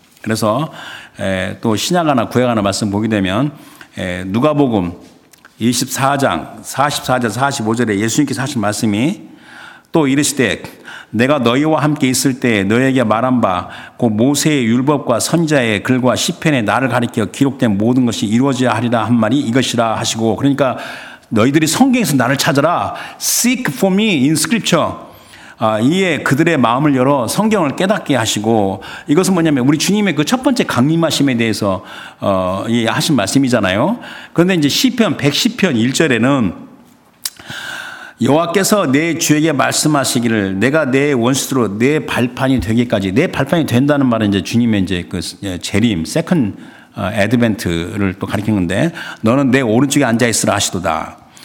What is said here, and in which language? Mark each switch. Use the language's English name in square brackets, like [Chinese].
[Korean] 그래서 또 신약 하나 구약 하나 말씀 보게 되면 누가복음 24장 44절 45절에 예수님께서 하신 말씀이 또 이르시되 내가 너희와 함께 있을 때 너희에게 말한 바 곧 모세의 율법과 선지자의 글과 시편에 나를 가리켜 기록된 모든 것이 이루어져야 하리라 한 말이 이것이라 하시고 그러니까 너희들이 성경에서 나를 찾아라. [English] Seek for me in scripture. [Korean] 이에 그들의 마음을 열어 성경을 깨닫게 하시고 이것은 뭐냐면 우리 주님의 그 첫 번째 강림하심에 대해서 하신 말씀이잖아요. 그런데 이제 시편 110편 1절에는 여호와께서 내 주에게 말씀하시기를 내가 내 원수로 내 발판이 되기까지 내 발판이 된다는 말은 이제 주님의 이제 그 재림 에드벤트를 또 가리키는 건데 너는 내 오른쪽에 앉아있으라 하시도다.